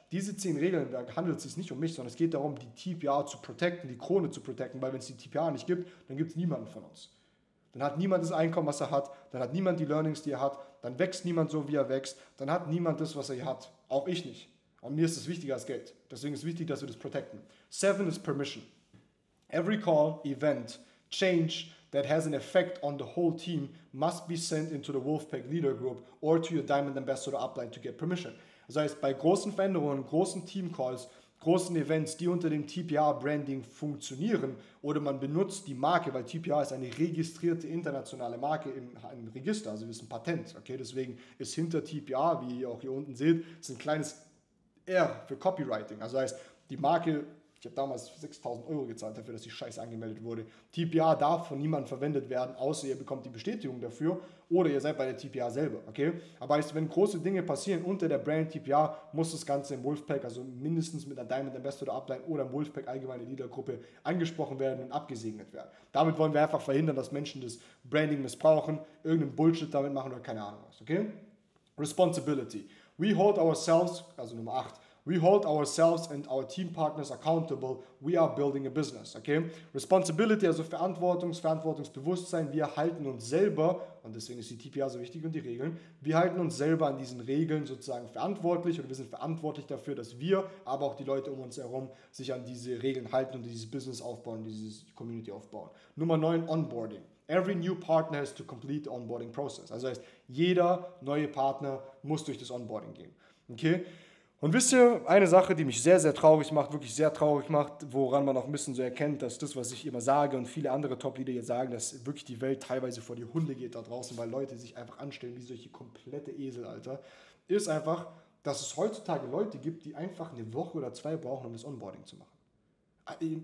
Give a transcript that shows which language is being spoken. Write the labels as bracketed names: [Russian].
[German] Diese 10 Regeln, da handelt es sich nicht um mich, sondern es geht darum, die TPA zu protecten, die Krone zu protecten. Weil wenn es die TPA nicht gibt, dann gibt es niemanden von uns. Dann hat niemand das Einkommen, was er hat. Dann hat niemand die Learnings, die er hat. Dann wächst niemand so, wie er wächst. Dann hat niemand das, was er hat. Auch ich nicht. Und mir ist es wichtiger als Geld. Deswegen ist es wichtig, dass wir das protecten. 7 ist Permission. [English] Every call, event, change that has an effect on the whole team must be sent into the Wolfpack Leader Group or to your Diamond Ambassador Upline to get permission. [German] Das heißt, bei großen Veränderungen, großen Team-Calls, großen Events, die unter dem TPR-Branding funktionieren oder man benutzt die Marke, weil TPR ist eine registrierte internationale Marke im Register, also ist ein Patent. Okay? Deswegen ist hinter TPR, wie ihr auch hier unten seht, ist ein kleines R für Copywriting. Also heißt, die Marke, ich habe damals 6.000 Euro gezahlt dafür, dass die Scheiße angemeldet wurde. TPA darf von niemandem verwendet werden, außer ihr bekommt die Bestätigung dafür oder ihr seid bei der TPA selber. Okay? Aber heißt, wenn große Dinge passieren unter der Brand TPA, muss das Ganze im Wolfpack, also mindestens mit einer Diamond Ambassador Upline oder im Wolfpack allgemeine Leadergruppe angesprochen werden und abgesegnet werden. Damit wollen wir einfach verhindern, dass Menschen das Branding missbrauchen, irgendeinen Bullshit damit machen oder keine Ahnung was. Okay? Responsibility. [English] We hold ourselves, [German] also Nummer 8, [English] we hold ourselves and our team partners accountable. We are building a business, okay? [German] Responsibility, also Verantwortungsbewusstsein, wir halten uns selber, und deswegen ist die TPA so wichtig und die Regeln, wir halten uns selber an diesen Regeln sozusagen verantwortlich und wir sind verantwortlich dafür, dass wir, aber auch die Leute um uns herum, sich an diese Regeln halten und dieses Business aufbauen, dieses Community aufbauen. Nummer 9, Onboarding. [English] Every new partner has to complete the onboarding process. [German] Also heißt, jeder neue Partner muss durch das Onboarding gehen. Okay? Und wisst ihr, eine Sache, die mich sehr, sehr traurig macht, wirklich sehr traurig macht, woran man auch ein bisschen so erkennt, dass das, was ich immer sage und viele andere Top-Leader jetzt sagen, dass wirklich die Welt teilweise vor die Hunde geht da draußen, weil Leute sich einfach anstellen wie solche komplette Esel, Alter, ist einfach, dass es heutzutage Leute gibt, die einfach eine Woche oder zwei brauchen, um das Onboarding zu machen.